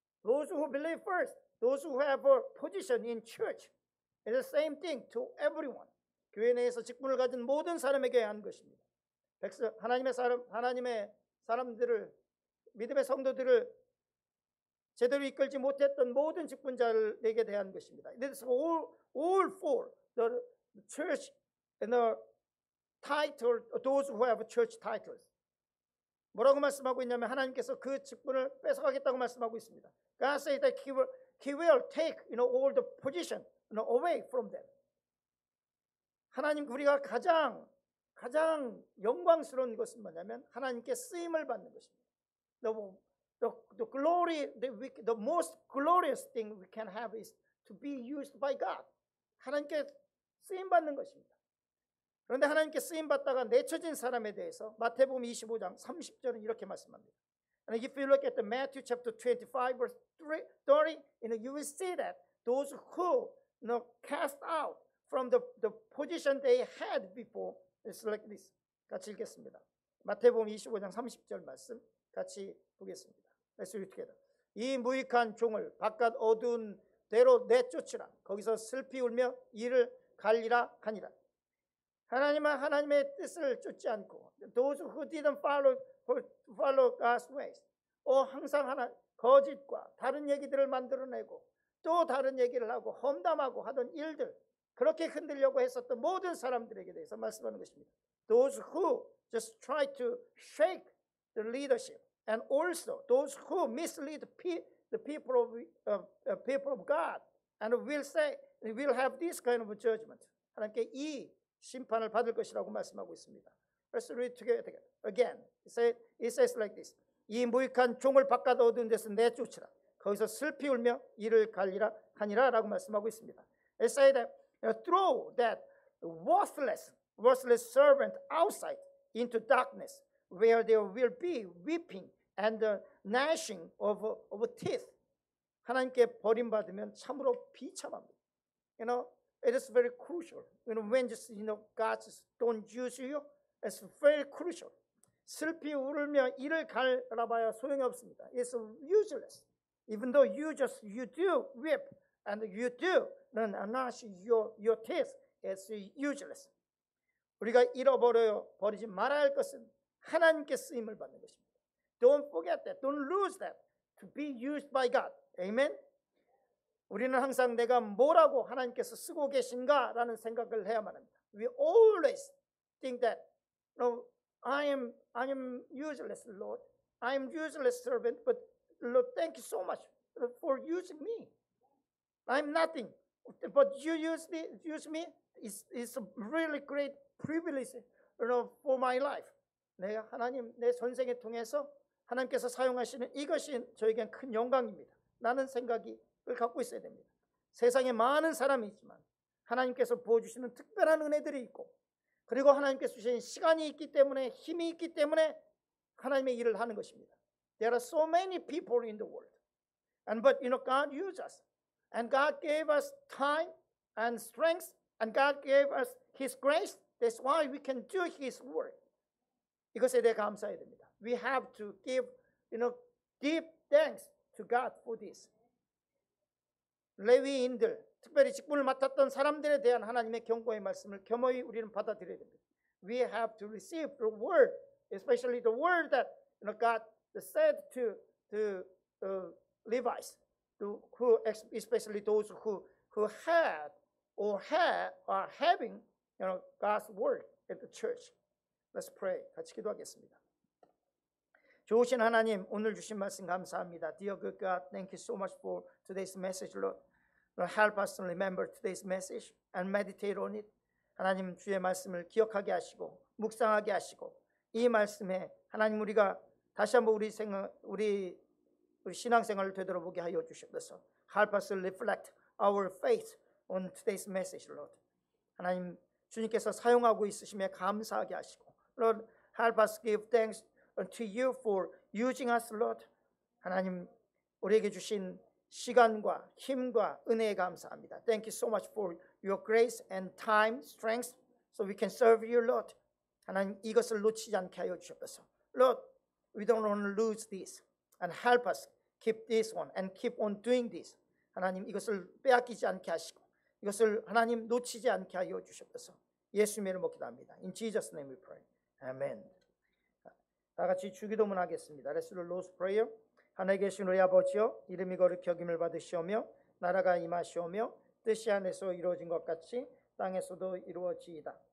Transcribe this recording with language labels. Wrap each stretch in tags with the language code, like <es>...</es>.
<en>Those who believe first, those who have a position in church, is the same thing to everyone.</en> <ko>교회 내에서 직분을 가진 모든 사람에게 한 것입니다. 하나님의 사람들을 믿음의 성도들을 제대로 이끌지 못했던 모든 직분자들에게 대한 것입니다.</ko> <en>This is all for the church and the title, those who have church titles.</en> <ko>뭐라고 말씀하고 있냐면 하나님께서 그 직분을 뺏어가겠다고 말씀하고 있습니다.</ko> <en>God says that he will take, you know, all the position, you know, away from them.</en> <ko>하나님, 우리가 가장 영광스러운 것은 뭐냐면 하나님께 쓰임을 받는 것입니다.</ko> <en>The most glorious thing we can have is to be used by God.</en> <ko>하나님께 쓰임 받는 것입니다. 그런데 하나님께 쓰임 받다가 내쳐진 사람에 대해서 마태복음 25장 30절은 이렇게 말씀합니다.</ko> <en>And if you look at the Matthew chapter 25 verse 30, you will see that those who, you know, cast out from the position they had before is like this.</en> <ko>같이 읽겠습니다. 마태복음 25장 30절 말씀 같이 보겠습니다. 이 무익한 종을 바깥 어두운 데로 내쫓으라. 거기서 슬피 울며 이를 갈리라 하니라. 하나님은 하나님의 뜻을 쫓지 않고</ko> <en>those who didn't follow God's ways,</en> <ko>항상 하나 거짓과 다른 얘기들을 만들어내고 또 다른 얘기를 하고 험담하고 하던 일들, 그렇게 흔들려고 했었던 모든 사람들에게 대해서 말씀하는 것입니다.</ko> <en>Those who just try to shake the leadership, and also those who mislead the people of God and will have this kind of judgment.</en> <ko>하나님께 이 심판을 받을 것이라고 말씀하고 있습니다.</ko> <en>Let's read together again. It says like this.</en> <ko>이 무익한 종을 바깥 어두운 데서 내쫓으라. 거기서 슬피 울며 이를 갈리라 하니라 라고 말씀하고 있습니다.</ko> <en>It says that throw that worthless servant outside into darkness where there will be weeping and the gnashing of teeth.</en> <ko>하나님께 버림받으면 참으로 비참합니다.</ko> <en>You know, it is very crucial. You know, when just, you know, God don't use you, it's very crucial.</en> <ko>슬피 울며 이를 갈라봐야 소용이 없습니다.</ko> <en>It's useless. Even though you do weep and you do gnash your teeth, it's useless.</en> <ko>우리가 잃어버리지 말아야 할 것은 하나님께 쓰임을 받는 것입니다.</ko> <en>Don't forget that. Don't lose that. To be used by God. Amen?</en> <ko>우리는 항상 내가 뭐라고 하나님께서 쓰고 계신가라는 생각을 해야만 합니다.</ko> <en>We always think that, you know, I am useless, Lord. I am useless servant, but Lord, thank you so much for using me. I'm nothing, but you use me. It's a really great privilege, you know, for my life.</en> <ko>내가 하나님, 내 전생에 통해서 하나님께서 사용하시는 이것이 저에겐 큰 영광입니다. 라는 생각을 갖고 있어야 됩니다. 세상에 많은 사람이 있지만 하나님께서 부어주시는 특별한 은혜들이 있고, 그리고 하나님께서 주신 시간이 있기 때문에, 힘이 있기 때문에 하나님의 일을 하는 것입니다.</ko> <en>There are so many people in the world. But you know, God used us. And God gave us time and strength. And God gave us His grace. That's why we can do His work.</en> <ko>이것에 대해 감사해야 됩니다.</ko> <en>We have to give, you know, deep thanks to God for this.</en> <ko>레위인들, 특별히 직분을 맡았던 사람들에 대한 하나님의 경고의 말씀을 겸허히 우리는 받아들여야 됩니다.</ko> <en>We have to receive the word, especially the word that you know, God said to the Levites, to who, especially those who had or are having you know, God's word at the church. Let's pray.</en> <ko>같이 기도하겠습니다. 좋으신 하나님, 오늘 주신 말씀 감사합니다.</ko> <en>Dear good God, thank you so much for today's message, Lord. Lord, help us to remember today's message and meditate on it.</en> <ko>하나님, 주의 말씀을 기억하게 하시고 묵상하게 하시고 이 말씀에 하나님 우리가 다시 한번 우리 신앙생활을 되돌아보게 하여 주시옵소서.</ko> <en>Help us to reflect our faith on today's message, Lord.</en> <ko>하나님, 주님께서 사용하고 있으심에 감사하게 하시고</ko> <en>Lord, help us give thanks to you for using us, Lord.</en> <ko>하나님, 우리에게 주신 시간과 힘과 은혜에 감사합니다.</ko> <en>Thank you so much for your grace and time, strength, so we can serve you, Lord.</en> <ko>하나님, 이것을 놓치지 않게 하여 주옵소서.</ko> <en>Lord, we don't want to lose this. And help us keep this one and keep on doing this.</en> <ko>하나님, 이것을 빼앗기지 않게 하시고 이것을 하나님 놓치지 않게 하여 주옵소서. 예수님 이름으로 기도합니다.</ko> <en>In Jesus' name we pray. Amen.</en> <ko>다 같이 주기도문 하겠습니다.</ko> <en>Let's do the Lord's Prayer.</en> <ko>하늘에 계신 우리 아버지여, 이름이 거룩히 여김을 받으시오며, 나라가 임하시오며, 뜻이 하늘에서 이루어진 것 같이 땅에서도 이루어지이다.</ko>